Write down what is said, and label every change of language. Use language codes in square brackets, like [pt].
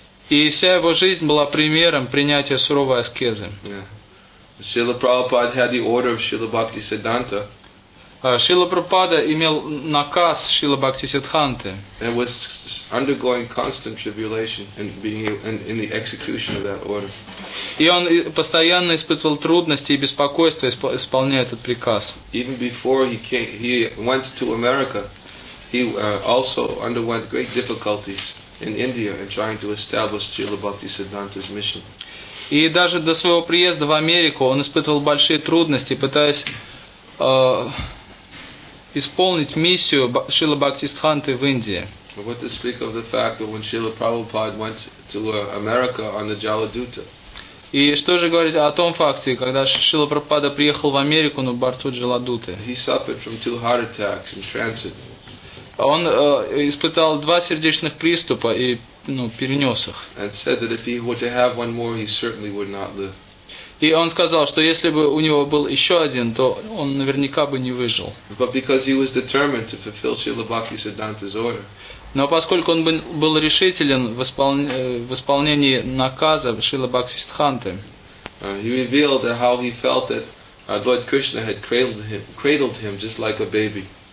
[ru] И вся его жизнь была примером принятия суровой аскезы. [en] Шрила Прабхупада had the order of Шрила Бхакти Сиддханта. [ru] Шрила Прабхупада имел наказ Шрила Бхакти Сиддханты. [en] And was undergoing constant tribulation and being in the execution of that order. [ru] И он постоянно испытывал трудности и беспокойство, исполняя этот приказ. [en] Even before he went to America, he also underwent great difficulties in India in trying to establish Srila Bhakti Siddhanta's mission. [ru] И даже до своего приезда в Америку он испытывал большие трудности, пытаясь исполнить миссию Шрила Бхакти Сиддханты в Индии. [en] What to speak of the fact that when Srila Prabhupada went to America on the Jaladuta. [ru] И что же говорить о том факте, когда Шрила Прабхупада приехал в Америку на борту Джаладуты? [en] He suffered from two heart attacks in transit. [ru] Он испытал два сердечных приступа и перенес их. [en] And said that if he were to have one more, he certainly would not live. [ru] И он сказал, что если бы у него был еще один, то он наверняка бы не выжил. [en] But because he was determined to fulfill Srila Bhakti Siddhanta's order. [ru] Но поскольку он был решителен в исполнении наказа Шрила Бхакти Сиддханты, [en] he revealed how he felt that Lord Krishna had cradled him just like a baby.